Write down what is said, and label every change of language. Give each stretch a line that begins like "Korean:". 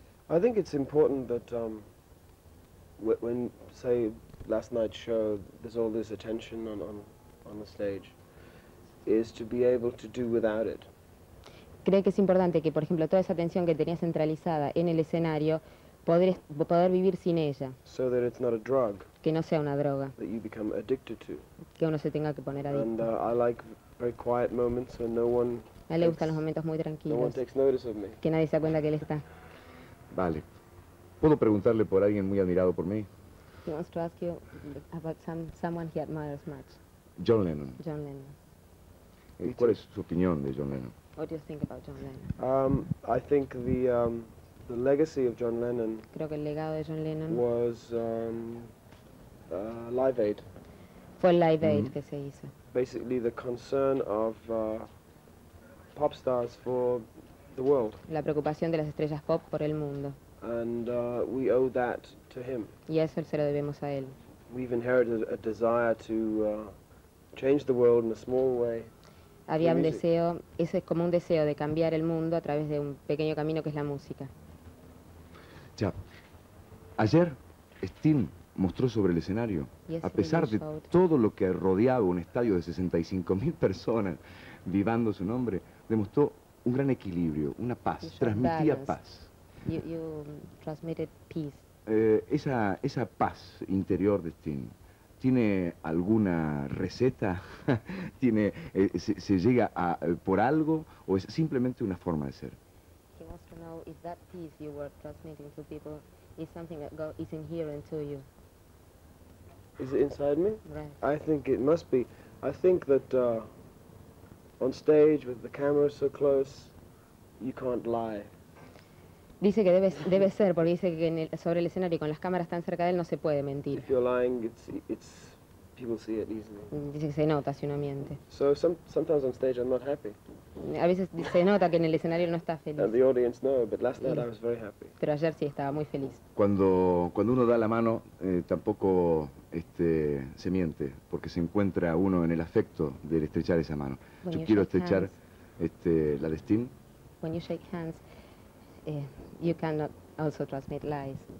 English: I think it's important that when, say, last night's show, there's all this attention on the stage, is to be able to do without it.
Spanish: ¿Cree que es importante que, por ejemplo, toda esa atención que tenía centralizada en el escenario, poder vivir sin ella?
English: So that it's not a drug.
Spanish: Que no sea una droga.
English: That you become addicted to.
Spanish: Que uno se tenga que poner adicto.
English: And I like very quiet moments when no one.
Spanish: A él le gustan los momentos muy tranquilos.
English: No one takes notice of me.
Spanish: Que nadie se da cuenta que él está. Vale. ¿Puedo preguntarle por alguien muy admirado por mí?
English: He wants to ask you about someone he admires much. John Lennon. John Lennon.
Spanish: ¿Cuál es su opinión de John Lennon?
English: What do you think about John Lennon? I think the legacy of John Lennon.
Spanish: Creo que el legado de John Lennon
English: was Live Aid.
Spanish: Fue Live Aid que se hizo.
English: Basically, the concern of pop stars for the world.
Spanish: La preocupación de las estrellas pop por el mundo.
English: And we owe that to him.
Spanish: Y eso se lo debemos a él.
English: We've inherited a desire to change the world in a small way.
Spanish: Había un deseo, ese es como un deseo de cambiar el mundo a través de un pequeño camino que es la música. Ya. Ayer, Sting mostró sobre el escenario, a pesar de todo lo que rodeaba un estadio de 65.000 personas vivando su nombre, demostró un gran equilibrio, una paz, transmitía paz.
English: You transmitted peace.
Spanish: Esa paz interior de Sting, ¿tiene alguna receta? ¿Tiene, se llega a, por algo o es simplemente una forma de ser?
English: He wants to know if that peace you were transmitting to people is something that is inherent to you. Is it inside me? Right. I think it must be. I think that on stage with the camera so close, you can't lie.
Spanish: Dice que debe ser, porque dice que sobre el escenario y con las cámaras tan cerca de él no se puede mentir.
English: If you're lying, it's people see it easily.
Spanish: Dice que se nota si uno miente.
English: So sometimes on stage I'm not happy.
Spanish: A veces se nota que en el escenario no está feliz.
English: And the audience know, but last night I was very happy.
Spanish: Pero ayer sí estaba muy feliz. Cuando uno da la mano, tampoco se miente, porque se encuentra uno en el afecto de estrechar esa mano.
English: When
Spanish: Yo quiero estrechar
English: hands,
Spanish: la de Sting.
English: When you shake hands, you cannot also transmit lies.